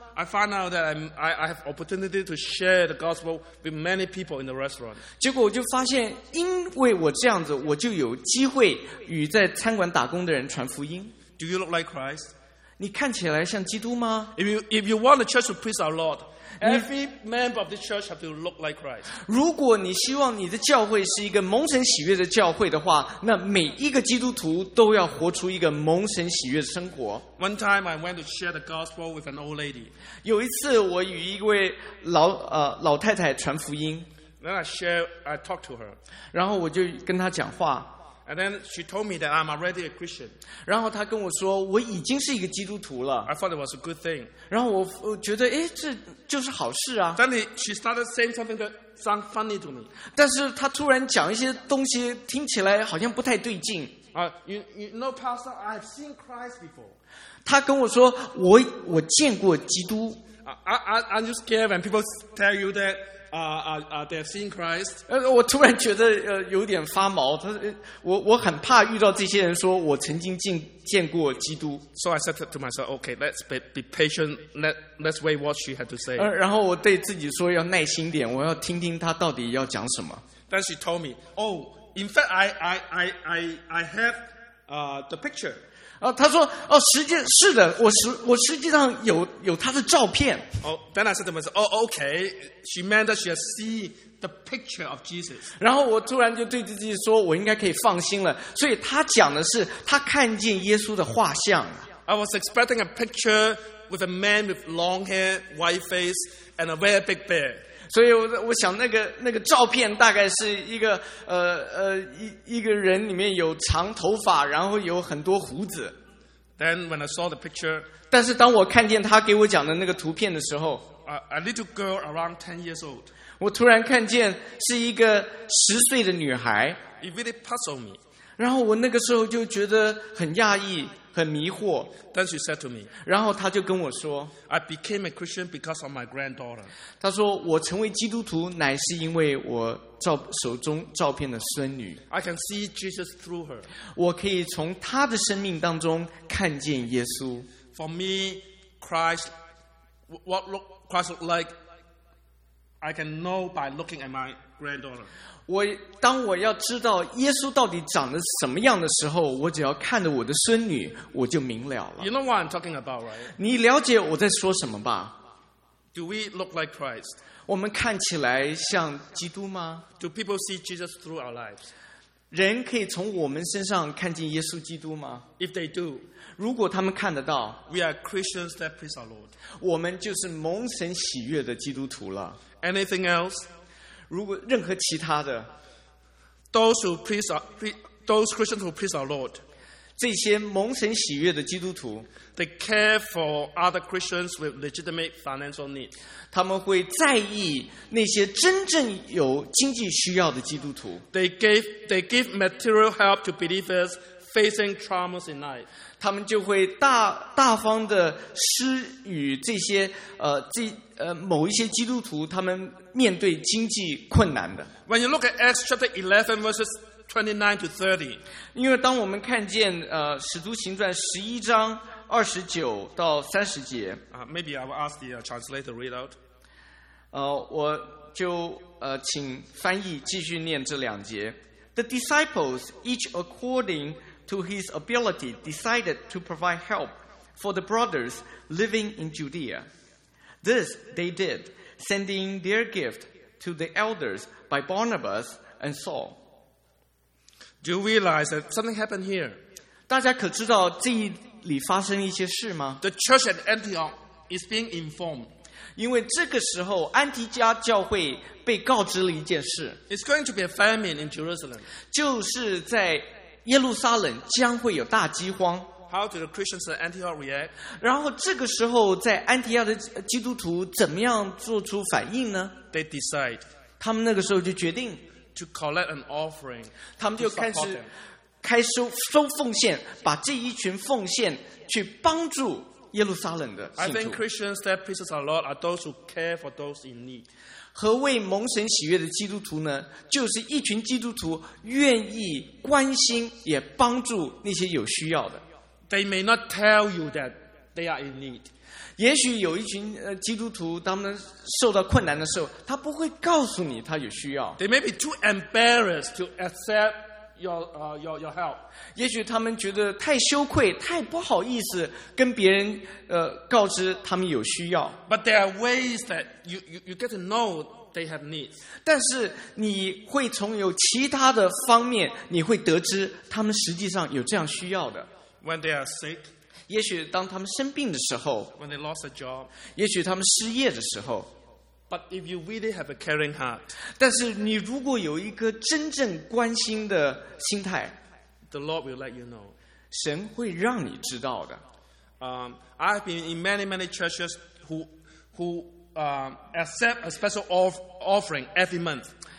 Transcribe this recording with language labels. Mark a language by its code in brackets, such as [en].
[en] I found out that I have opportunity to share the gospel with many people in the restaurant. [zh] 结果我就发现，因为我这样子，我就有机会与在餐馆打工的人传福音。 [en] Do you look like Christ? [zh] 你看起来像基督吗？ [en] If you want the church to please our Lord, every member of this church have to look like Christ. [zh] 如果你希望你的教会是一个蒙神喜悦的教会的话，那每一个基督徒都要活出一个蒙神喜悦的生活。 [en] One time I went to share the gospel with an old lady. [zh] 有一次我与一位老太太传福音。 [en] Then I talked to her. [zh] 然后我就跟她讲话。 [en] And then she told me that I'm already a Christian. [zh] 然后她跟我说我已经是一个基督徒了。 [en] I thought it was a good thing. [zh] 然后我觉得哎，这就是好事啊。 [en] Then she started saying something that sounded funny to me. [zh] 但是她突然讲一些东西听起来好像不太对劲。 [en] You know, Pastor, I've seen Christ before. [zh] 她跟我说我见过基督。 [en] Aren't you scared when people tell you that? They have seen Christ. [zh] 我突然觉得有点发毛。他说我很怕遇到这些人说我曾经见过基督。 [en] So I said to myself, okay, let's be patient. Let's wait what she had to say. [zh] 然后我对自己说要耐心点，我要听听他到底要讲什么。 [en] Then she told me, oh, in fact, I have the picture. [zh] 他说哦，实际是的，我实际上有他的照片。 [en] Oh, then I said to myself, oh, okay, she meant that she has seen the picture of Jesus. [zh] 然后我突然就对自己说，我应该可以放心了。所以他讲的是他看见耶稣的画像。 [en] I was expecting a picture with a man with long hair, white face, and a very big beard. [zh] 所以我想那个照片大概是一个人里面有长头发，然后有很多胡子。 [en] Then when I saw the picture, [zh] 但是当我看见他给我讲的那个图片的时候， [en] a little girl around 10 years old, [zh] 我突然看见是一个十岁的女孩。 [en] It really puzzled me. [zh] 然后我那个时候就觉得很讶异，很迷惑。 [en] Then she said to me, [zh] 然后他就跟我说， [en] I became a Christian because of my granddaughter. [zh] 他说我成为基督徒乃是因为我手中照片的孙女。 [en] I can see Jesus through her. [zh] 我可以从她的生命当中看见耶稣。 [en] For me, Christ, what Christ looked like, I can know by looking at my granddaughter. [zh] 当我要知道耶稣到底长得什么样的时候，我只要看着我的孙女，我就明了了。 [en] You know what I'm talking about, right? [zh] 你了解我在说什么吧？ [en] Do we look like Christ? [zh] 我们看起来像基督吗？ [en] Do people see Jesus through our lives? [zh] 人可以从我们身上看见耶稣基督吗？ [en] If they do, [zh] 如果他们看得到， [en] We are Christians that praise our Lord. [zh] 我们就是蒙神喜悦的基督徒了。 [en] Anything else? [zh] 如果任何其他的 [en] those Christians who praise our Lord, [zh] 这些蒙神喜悦的基督徒， [en] they care for other Christians with legitimate financial needs. [zh] 他们会在意那些真正有经济需要的基督徒。 [en] They give material help to believers facing traumas in life. [zh] 他们就会大方的施予这些某一些基督徒他们面对经济困难的。 [en] When you look at Acts chapter 11 verses 29 to 30, [zh] 因为当我们看见使徒行传11章29到30节， [en] Maybe I will ask the translator to read out. [zh] 我就请翻译继续念这两节。 [en] The disciples, each according to his ability, decided to provide help for the brothers living in Judea. This they did. Sending their gift to the elders by Barnabas and Saul. Do you realize that something happened here? [zh] 大家可知道这里发生一些事吗？ [en] The church at Antioch is being informed. [zh] 因为这个时候安提加教会被告知了一件事。 [en] It's going to be a famine in Jerusalem. [zh] 就是在耶路撒冷将会有大饥荒。 [en] How do the Christians at Antioch react? [zh] 然后这个时候在安提亚的基督徒怎么样做出反应呢？ [en] They decide. [zh] 他们那个时候就决定 [en] to collect an offering. [zh] 他们就开始收奉献，把这一群奉献去帮助耶路撒冷的信徒。 [en] I think Christians that praise our Lord are those who care for those in need. [zh] 何谓蒙神喜悦的基督徒呢？就是一群基督徒愿意关心也帮助那些有需要的。 [en] They may not tell you that they are in need. [zh] 也许有一群基督徒，他们受到困难的时候，他不会告诉你他有需要。 [en] They may be too embarrassed to accept your help. [zh] 也许他们觉得太羞愧，太不好意思跟别人告知他们有需要。 [en] But there are ways that you get to know they have needs. [zh] 但是你会从有其他的方面，你会得知他们实际上有这样需要的。 [en] When they are sick, [zh] 也许当他们生病的时候， [en] when they lost a job, [zh] 也许他们失业的时候， [en] but if you really have a caring heart, [zh] 但是你如果有一个真正关心的心态， [en] the Lord will let you know, [zh] 神会让你知道的。 [en] I've been in many, many churches who accept a special offering every month.